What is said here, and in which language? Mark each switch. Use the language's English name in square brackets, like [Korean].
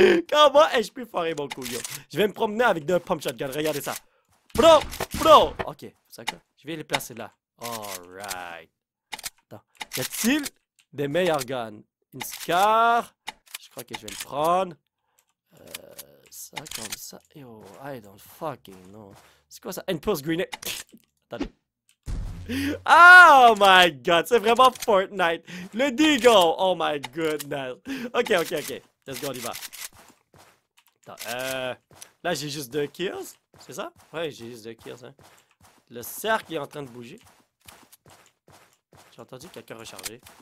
[French] Comment ai-je pu foirer mon coup, yo? Je vais me promener avec deux pump shotgun, regardez ça. Pro. Ok, ça quoi? Je vais les placer là. [English] Alright. [French] Attends. Y a-t-il des meilleurs guns? Une Scar. Je crois que je vais le prendre. Ça comme ça, yo, [English] I don't fucking know. [French] C'est quoi ça? Une pulse grenade. Attendez. [English] Oh my god, [French] c'est vraiment Fortnite. Le Deagle, [English] oh my goodness. [French] Ok. [English] Let's go, [French] on y va. Attends, là, j'ai juste deux kills, c'est ça? Ouais, j'ai juste deux kills, hein. Le cercle est en train de bouger. J'ai entendu quelqu'un recharger.